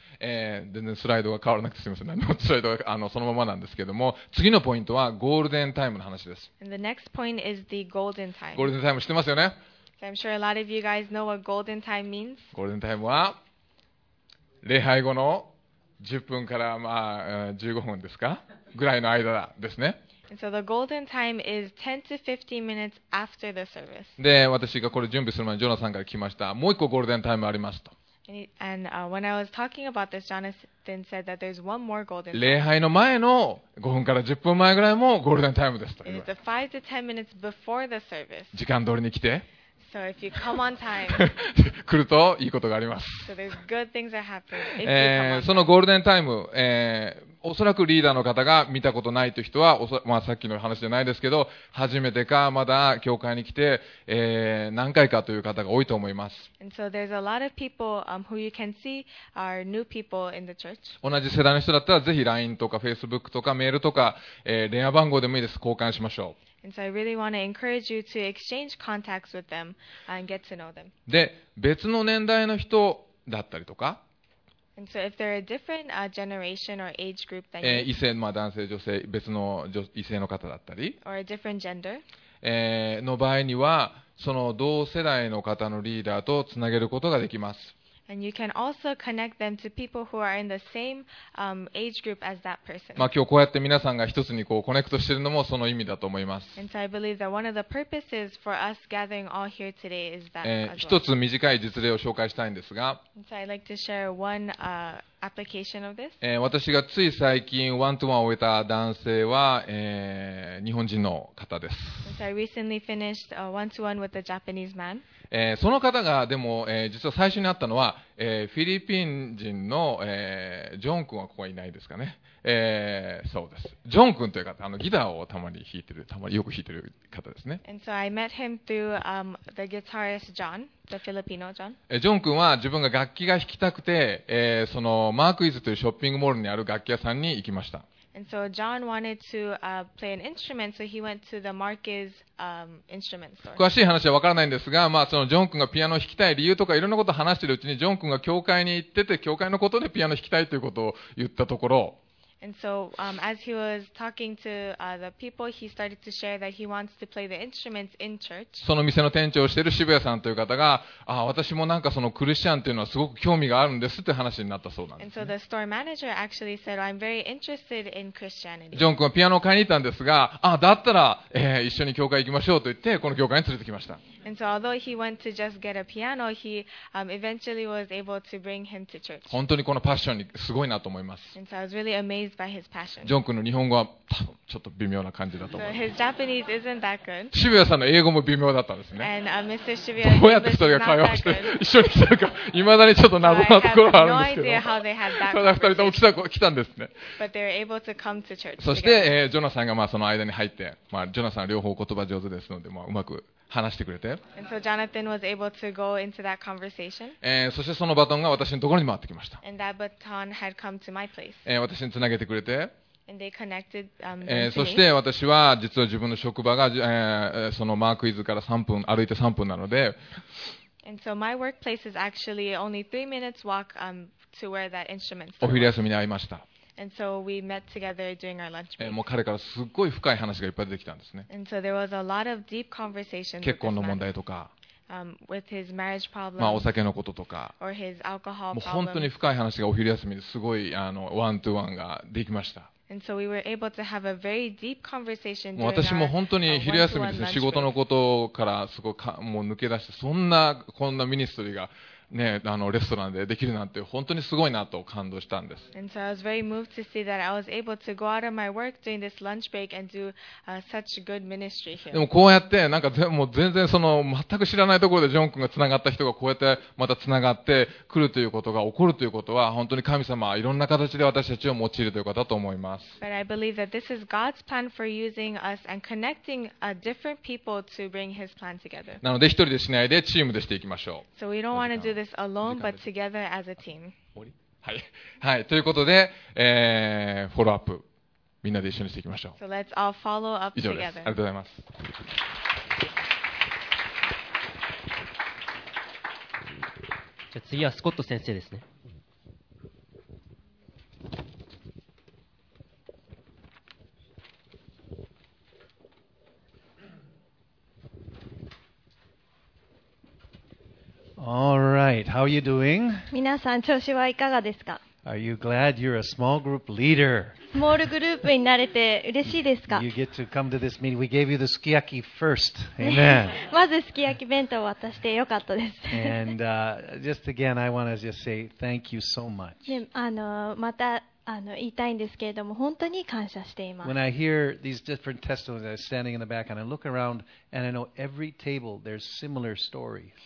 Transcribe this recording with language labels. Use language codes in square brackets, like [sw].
[ja] 全然スライドが変わらなくてすみません。何もスライドがそのままなんですけども、次のポイントはゴールデンタイムの話です。 [en] And the next point is the golden time. [ja] ゴールデンタイム知ってますよね。 [en] So I'm sure a lot of you guys know what golden time means. [ja] ゴールデンタイムは礼拝後の10分から15分ですかぐらいの間ですね。 [en] And so the golden time is 10 to 15 minutes after the service. [ja] で、私がこれ準備する前にジョナサンから来ました。もう一個ゴールデンタイムありますと。 [en] And when I was talking about this, Jonathan said that there's one more golden time. [ja] 礼拝の前の5分から10分前ぐらいもゴールデンタイムですと。 [en] And it's the 5 to 10 minutes before the service. [ja] 時間通りに来て。 [en] So if you come on time, [ja] 来るといいことがあります。 [en] So there's good things that happen if you come on time. [ja] そのゴールデンタイム、おそらくリーダーの方が見たことないという人は、まあ、さっきの話じゃないですけど、初めてかまだ教会に来て、何回かという方が多いと思います。同じ世代の人だったら、ぜひ LINE とか Facebook とかメールとか、電話番号でもいいです。交換しましょう。 [en] And so I really want to encourage you to exchange contacts with them and get to know them. [ja] で、別の年代の人だったりとか、 [en] And so if they're a different generation or age group that [ja] you 異性、まあ、男性、女性、別の異性の方だったり、 [en] or a different gender、 [ja] の場合には、その同世代の方のリーダーとつなげることができます。 [en] And you can also connect them to people who are in the same age group as that person. [ja] まあ今日こうやって皆さんが一つにこうコネクトしているのもその意味だと思います。 [en] And so I believe that one of the purposes for us gathering all here today is that. [ja] 一つ短い実例を紹介したいんですが。 [en] And so I'd like to share one application of this. [ja] 私がつい最近ワントゥワンを終えた男性は、日本人の方です。 [en] And so I recently finished a one-to-one with a Japanese man. [ja] その方がでも、実は最初に会ったのは、フィリピン人の、ジョン君はここはいないですかね、そうですジョン君という方ギターをたまに弾いてるたまによく弾いてる方ですね [en] And so I met him through, the guitarist John, the Filipino John. [ja] ジョン君は自分が楽器が弾きたくて、そのマークイズというショッピングモールにある楽器屋さんに行きました [en] And so John wanted to play an instrument, so he went to the Marquez instrument store. [ja] 詳しい話はわからないんですが、まあそのジョン君がピアノを弾きたい理由とかいろんなことを話しているうちに、ジョン君が教会に行ってて教会のことでピアノを弾きたいということを言ったところ。 [en] And so as he was talking to the people, he started to share that he wants to play the instruments in church. [ja] その店の店長をしている渋谷さんという方が、私もなんかそのクリスチャンというのはすごく興味があるんですって話になったそうなんです、ね。 [en] And so the store manager actually said, I'm very interested in Christianity. [ja] ジョン君はピアノを買いに行ったんですが、だったら、一緒に教会行きましょうと言ってこの教会に連れてきました。 [en] And so although he went to just get a piano, he eventually was able to bring him to church. [ja] 本当にこのパッションにすごいなと思います。 [en] And so I was really amazed. [ja] ジョン君の日本語は多分ちょっと微妙な感じだと思います。 [en] So、his Japanese isn't that good. [ja] 渋谷さんの英語も微妙だったんですね。 [en] And, Mr. Shibuya, [ja] どうやって2人が会話して一緒に来たのか、いまだにちょっと謎なところがあるんですけど、ただ2人とも来たんですね。 [en] But they were able to come to church [ja] そして、ジョナさんがまあその間に入って、まあ、ジョナさんは両方言葉上手ですので、まあ、うまく話してくれて。 [en] And so Jonathan was able to go into that conversation. [ja] そしてそのバトンが私のところに回ってきました。 [en] And that baton had come to my place. [ja] 私につなげてくれて。 [en] And they connected, [ja] そして私は実は自分の職場が、そのマークイズから3分、歩いて3分なので。 [en] And so my workplace is actually only 3 minutes walk, to where that instrument store was. [ja] お昼休みに会いました。 [en] And so we met together during our lunch break. [ja] もう彼からすごい深い話がいっぱい出てきたんですね。 [en] And so there was a lot of deep conversations. [ja] 結婚の問題とか、 [en] with his marriage problems, [ja] まあお酒のこととか、 [en] or his alcohol problems. [ja] もう本当に深い話がお昼休みですごいワントゥワンができました。 [en] And so we were able to have a very deep conversation. [ja] もう私も本当に昼休みですね、仕事のことからすごいもう抜け出して、そんなこんなミニストリーが。ね、あのレストランでできるなんて本当にすごいなと感動したんです。 [en] And so I was very moved to see that I was able to go out of my work during this lunch break and do、such good ministry here. [ja] でもこうやってなんかもう全然その全く知らないところでジョン君がつながった人がこうやってまたつながってくるということが起こるということは本当に神様はいろんな形で私たちを用いるということだと思います。 [en] But I believe that this is God's plan for using us and connecting a different people to bring His plan together. [ja] なので一人でしないでチームでしていきましょう。 [en] So we don't want to do this alone, but together as a team. [ja] はい、はい、ということで、フォローアップみんなで一緒にしていきましょう。 [en] So let's all follow up together. [ja] 以上です。ありがとうございます。じゃあ次はスコット先生ですね。 [en] All right. How are you doing? [ja] 皆さん調子はいかがですか? [en] Are you glad you're a small group leader? [ja] スモールグループになれて嬉しいですか? [en] You get to come to this meeting. We gave you the sukiyaki first. Amen. [ja] まずすき焼き弁当を渡してよかったです。 [en] And, just again, I want to just say thank you so much. [ja] で、また、言いたいんですけれども、本当に感謝しています。 [en] When I hear these different testimonies, I'm standing in the back and I look around and I know every table there's similar stories.